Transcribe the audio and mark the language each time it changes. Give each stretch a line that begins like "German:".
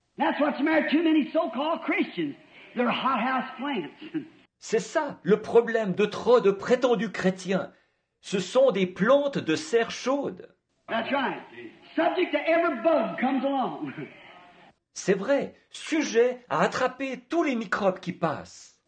English: That's what's married too many so-called Christians. they're hothouse plants.
French: C'est ça le problème de trop de prétendus chrétiens. Ce sont des plantes de serre chaude.
English: That's right. Subject to every bug comes along.
French: C'est vrai, sujet à attraper tous les microbes qui passent.